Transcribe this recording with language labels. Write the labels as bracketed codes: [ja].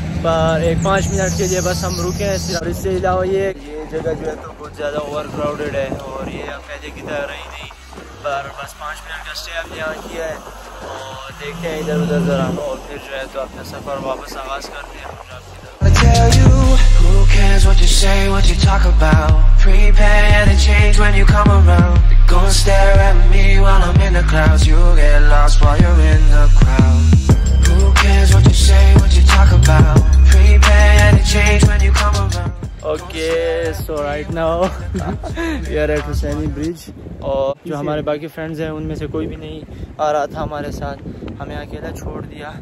[hi] पर एक 5 मिनट के लिए बस हम रुके हैं। और इससे अलावा ये जगह जो है तो बहुत ज़्यादा ओवर क्राउडेड है, और ये अब पहले की तरह रही नहीं, पर बस 5 मिनट का स्टे हमने यहाँ किया है और देखते हैं इधर उधर ज़रा, और फिर जो है तो अपना सफ़र वापस आगाज़ करते हैं। [en] What you say, what you talk about? Prepare any change when you come around. Go and stare at me while I'm in the clouds. You'll get lost while you're in the crowd. Who cares what you say, what you talk about? Prepare any change when you come around. Okay, so right now we are at Hussaini Bridge. [hi] और जो हमारे बाकी friends हैं उनमें से कोई भी नहीं आ रहा था हमारे साथ, हमें अकेला छोड़ दिया।